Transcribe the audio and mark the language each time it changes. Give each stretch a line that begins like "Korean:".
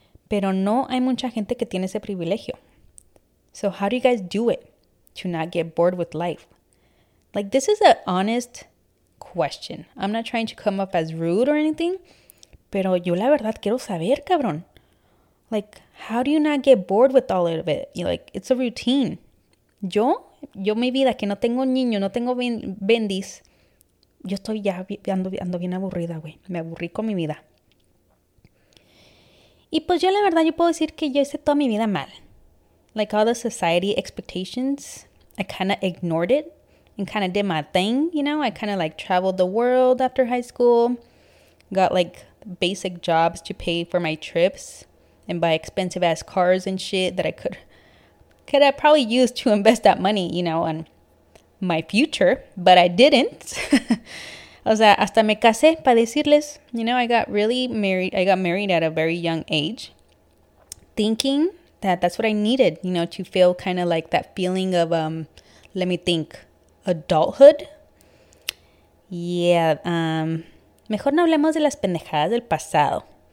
Spanish: Pero no hay mucha gente que tiene ese privilegio.
English: So how do you guys do it to not get bored with life? Like, this is an honest question. I'm not trying to come up as rude or anything.
Spanish: Pero yo la verdad quiero saber, cabrón.
English: Like, how do you not get bored with all of it? You're like, it's a routine.
Spanish: Yo mi vida que no tengo niño, no tengo bendis. Yo estoy ya ando bien aburrida, güey. Me aburrí con mi vida. Y pues yo la verdad, yo puedo decir que yo hice toda mi vida mal.
English: Like all the society expectations, I kind of ignored it and kind of did my thing, you know? I kind of like traveled the world after high school, got like basic jobs to pay for my trips and buy expensive ass cars and shit that I could have probably used to invest that money, you know, on my future, but I didn't.
Spanish: O sea, hasta me casé, para decirles,
English: you know, I got really married. I got married at a very young age, thinking that that's what I needed, you know, to feel kind of like that feeling of, let me think, adulthood.
Spanish: Yeah, mejor no hablemos de las pendejadas del pasado.